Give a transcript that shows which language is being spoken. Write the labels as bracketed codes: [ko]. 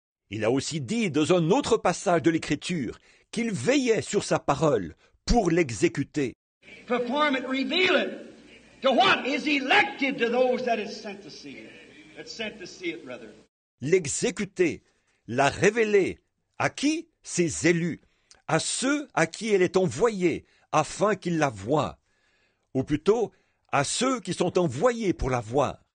[fr] Il a aussi dit dans un autre passage de l'Écriture qu'il veillait sur sa parole pour l'exécuter. [en] Perform it, reveal it. To what is elected to those that is sent to see it. That's sent to see it, rather. [fr] L'exécuter, la révéler, à qui? Ses élus, à ceux à qui elle est envoyée, afin qu'ils la voient, ou plutôt à ceux qui sont envoyés pour la voir.